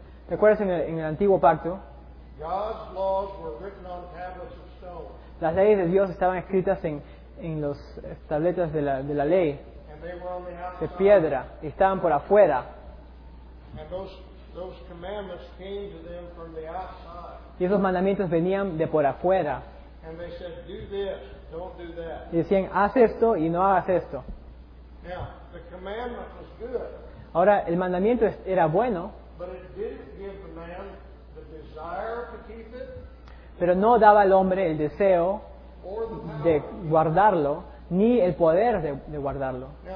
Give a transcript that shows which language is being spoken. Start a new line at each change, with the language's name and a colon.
Spanish: ¿te acuerdas en el antiguo pacto?
English: God's laws were written on tablets of stone.
Spanish: Las leyes de Dios estaban escritas en las tabletas de la ley,
English: and they were on the outside,
Spanish: de piedra, y estaban por afuera.
English: And those commandments came to them from the outside.
Spanish: Y esos mandamientos venían de por afuera.
English: And they said, do this, don't do that.
Spanish: Y decían, haz esto y no hagas esto.
English: Now, the commandment was good.
Spanish: Ahora, el mandamiento era bueno,
English: but it didn't give the man the desire to keep it,
Spanish: pero no daba al hombre el deseo de guardarlo, ni el poder de guardarlo.